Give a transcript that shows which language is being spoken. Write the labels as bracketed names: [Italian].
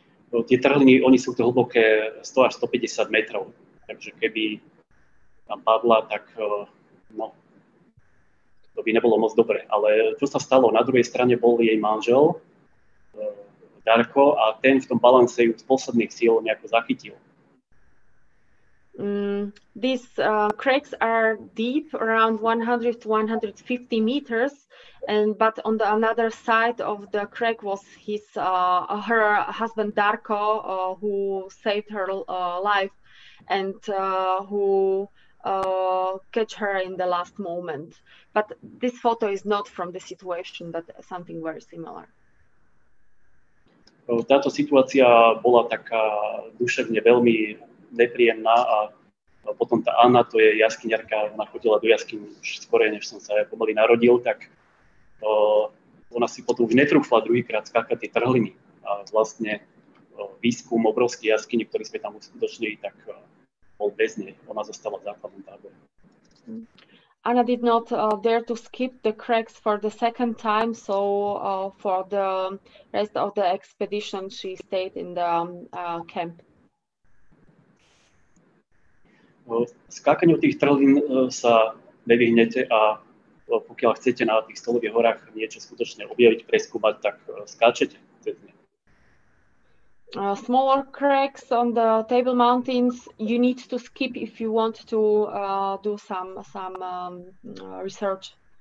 [Slovak] No, tie trhliny, oni sú to hlboké 100 až 150 metrov. Takže keby tam padla, tak to by nebolo moc dobre. Ale čo sa stalo? Na druhej strane bol jej manžel, Darko, a ten v tom balance ju z posledných síl nejako zachytil. [English] These cracks are deep, around 100 to 150 meters, but on the another side of the crack was her husband Darko, who saved her life and who catch her in the last moment. But this photo is not from the situation, but something very similar. [Slovak] Táto situácia bola taká duševne veľmi nepríjemná a potom tá Anna, to je jaskyňarka, ona chodila do jaskyň už skôr, než som sa pomaly narodil, tak ona si potom už netrúfla druhýkrát skákať tie trhliny. A vlastne výskum obrovský jaskyni, ktorý sme tam došli, tak bol bez nej. Ona zostala v základnom tábore. [English] Anna did not dare to skip the cracks for the second time, so for the rest of the expedition she stayed in the camp. [Slovak] Skákaniu tých trhlín sa nevyhnete a pokiaľ chcete na tých stolových horách niečo skutočne objaviť, preskúmať, tak skáčete. [English] Smaller cracks on the Table Mountains you need to skip if you want to do some research.